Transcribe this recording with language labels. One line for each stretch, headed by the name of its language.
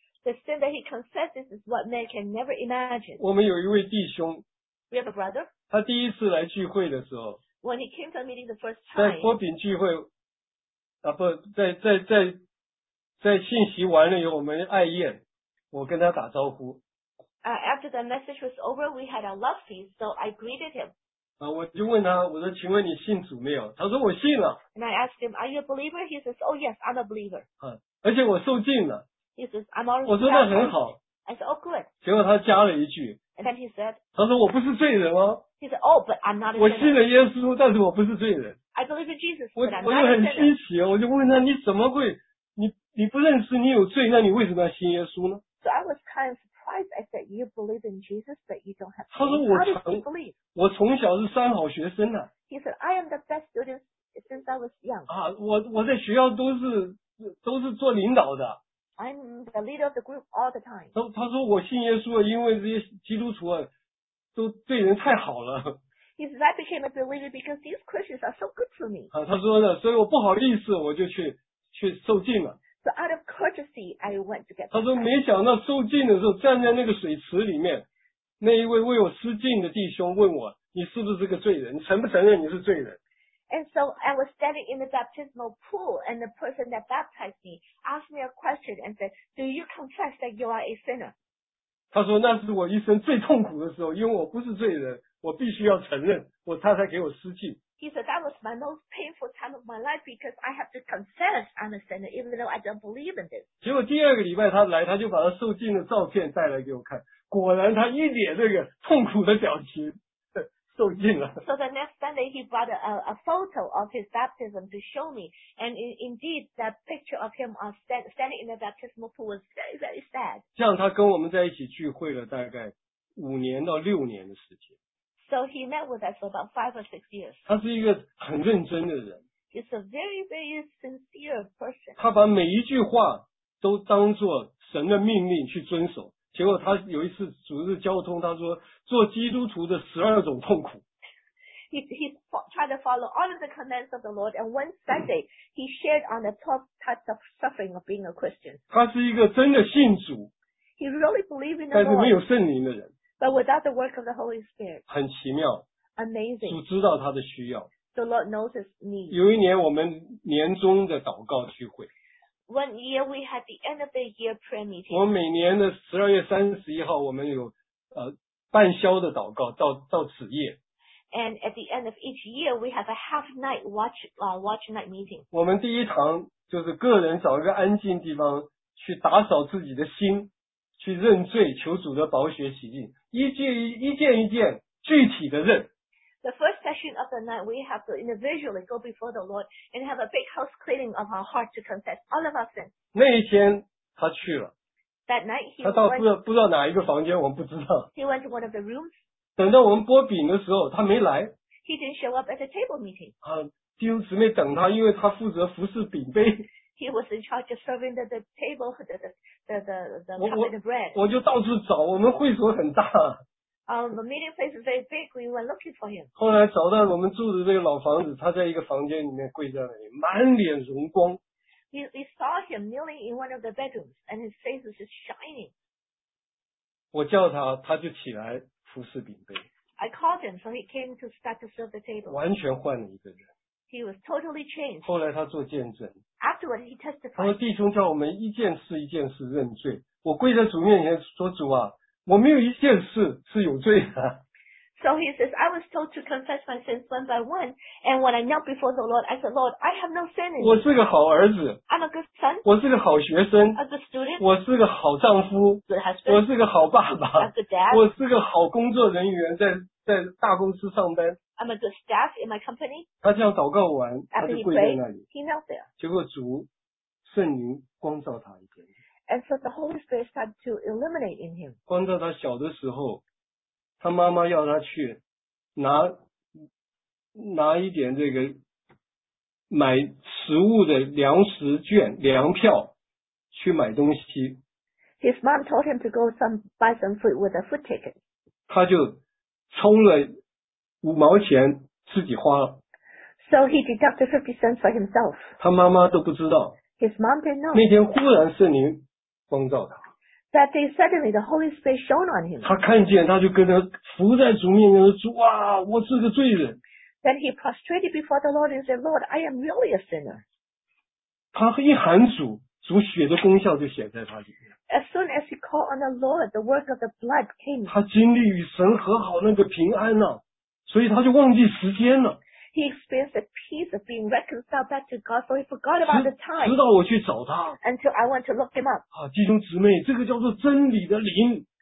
English: The sin that he confesses is what man can never imagine.
Chinese: 我们有一位弟兄。
English: We have a brother.
Chinese: 他第一次来聚会的时候
English: ，When he came to the meeting the first time，
Chinese: 在波饼聚会，啊不，在信息完了以后，我们爱宴，我跟他打招呼。
English: After the message was over, we had a love feast, so I greeted him.
Chinese: 我就问他，我说，请问你信主没有？他说我信了。
English: And I asked him, Are you a believer? He says, Oh yes, I'm a believer.
Chinese: 而且我受浸了。
English: He says, I'm already.
Chinese: 我说那很好。
English: I said, Oh good.
Chinese: 结果他加了一句。
English: And then he said,
Chinese: 他说我不是罪人哦。
English: He said, Oh, but I'm not a sinner.
Chinese: 我信了耶稣，但是我不是罪人。
English: I believe in Jesus, but I'm not a sinner.
Chinese: 我就很稀奇，我就问他，你怎么会，你你不认识你有罪，那你为什么要信耶稣呢？
English: So I was kind of surprised. I said, you believe in Jesus, but you don't have faith.
Chinese: 他说我从小是三好学生啊。
English: He said, I am the best student since I was young.
Chinese: 啊，我在学校都是做领导的。
English: I'm the leader of the group all the time.
Chinese: 他说我信耶稣，因为这些基督徒啊都对人太好了。
English: He said, I became a believer because these Christians are so good to me.
Chinese: 啊，他说的，所以我不好意思，我就去受浸了。
English: So out of courtesy, I went to get.
Chinese: 他说没想到受浸的时候站在那个水池里面，那一位为我施浸的弟兄问我，你是不是这个罪人？你承不承认你是罪人？
English: And so I was standing in the baptismal pool, and the person that baptized me asked me a question and said, "Do you confess that you are a sinner?"
Chinese: 他说那是我一生最痛苦的时候，因为我不是罪人，我必须要承认，他才给我施浸。
English: He said that was my most painful time of my life because I have to confess I'm a sinner even though I don't believe in this.
Chinese: 结果第二个礼拜他来，他就把他受浸的照片带来给我看，果然他一脸这个痛苦的表情，受浸了。
English: So the next Sunday he brought a photo of his baptism to show me, and indeed that picture of him standing in the baptismal pool was very very sad.
Chinese: 这样他跟我们在一起聚会了大概五年到六年的时间。
English: So he met with us for about 5 or 6 years.
Chinese: 他是一个很认真的人。
English: He's a very, very sincere person.
Chinese: 他把每一句话都当作神的命令去遵守。结果他有一次组织交通，他说做基督徒的十二种痛苦。
English: He tried to follow all of the commands of the Lord, and one Sunday he shared on the 12 types of suffering of being a Christian.
Chinese: 他是一个真的信主。
English: He really believed in the Lord.
Chinese: 但是没有圣灵的人。
English: But without the work of the Holy Spirit,
Chinese: 很奇妙
English: amazing.
Chinese: 主知道他的需要。
English: The Lord knows his need.
Chinese: 有一年我们年终的祷告聚会。
English: One year we had the end of the year prayer meeting.
Chinese: 我每年的12月31号我们有半宵的祷告到此夜。
English: And at the end of each year we have a half night watch night meeting.
Chinese: 我们第一堂就是个人找一个安静地方去打扫自己的心。去认罪，求主的宝血洗净，一件一件具体的认。
English: The first session of the night, we have to individually go before the Lord and have a big house cleaning of our heart to confess all of our sins.
Chinese: 那一天他去了。
English: That night he
Chinese: 他到不知道哪一个房间，我们不知道。
English: He went to one of the rooms.
Chinese: 等到我们拨饼的时候，他没来。
English: He didn't show up at the table meeting.
Chinese: 啊，弟兄姊妹等他，因为他负责服侍饼杯。
English: He was in charge of serving the table, the cup of the bread.
Chinese: 我就到处找，我们会所很大。
English: The meeting place is very big. We went looking for him.
Chinese: 后来找到我们住的这个老房子，他在一个房间里面跪在那里，满脸荣光。
English: We saw him kneeling in one of the bedrooms, and his face was just shining.
Chinese: 我叫他，他就起来服侍饼杯。
English: I called him, so he came to start to serve the table.
Chinese: 完全换了一个人。
English: He was totally changed.
Chinese: 后来他做见证。
English: Afterward, he testified.
Chinese: 他说弟兄叫我们一件事一件事认罪。我跪在主面前说主啊，我没有一件事是有罪的。
English: So he says, I was told to confess my sins one by one. And when I knelt before the Lord, I said, Lord, I have no sin in me.
Chinese: 我是个好儿子。
English: I'm a good son.
Chinese: 我是个好学生。
English: A good student.
Chinese: 我是个好丈夫。
English: Good husband.
Chinese: 我是个好爸爸。
English: A good dad.
Chinese: 我是个好工作人员在大公司上班。
English: I'm a good staff in my company.
Chinese: 他这样祷告完，他就跪在那里。
English: He knelt there.
Chinese: 结果主圣灵光照他一点。
English: And so the Holy Spirit started to illuminate in him.
Chinese: 光照他小的时候，他妈妈要他去拿一点这个买食物的粮食券、粮票去买东西。
English: His mom told him to go buy some food with a food ticket.
Chinese: 他就充了。五毛钱自己花了。
English: So he deducted 50 cents for himself.
Chinese: 他妈妈都不知道。
English: His mom didn't know.
Chinese: 那天忽然圣灵光照他。
English: That day suddenly the Holy Spirit shone on him.
Chinese: 他看见他就跟他伏在主面前说主啊我是个罪人。
English: Then he prostrated before the Lord and said, Lord, I am really a sinner.
Chinese: 他一喊主，主血的功效就显在他里面。
English: As soon as he called on the Lord, the work of the blood came.
Chinese: 他经历与神和好那个平安啊。所以他就忘记时间了。
English: He experienced the peace of being reconciled back to God, so he forgot about the time.
Chinese: 直到我去找他。
English: Until I went to look him up.
Chinese: 啊，弟兄姊妹，这个叫做真理的灵。